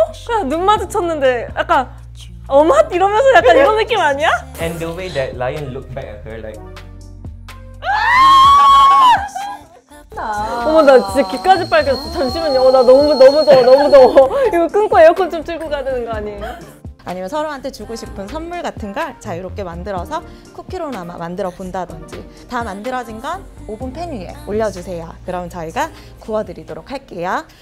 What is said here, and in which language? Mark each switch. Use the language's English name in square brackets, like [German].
[Korean] 야, 눈 마주쳤는데 약간 어맛 이러면서 약간 이런 느낌 아니야? [English] And the way that Lion looked back at her like [Korean] 어머, 나 진짜 귀까지 빨개졌어. 잠시만요. 나 너무 더워. 이거 끊고 에어컨 좀 틀고 가야 되는 거 아니에요? 아니면 서로한테 주고 싶은 선물 같은 걸 자유롭게 만들어서 쿠키로나마 만들어 본다든지. 다 만들어진 건 오븐 팬 위에 올려주세요. 그럼 저희가 구워드리도록 할게요.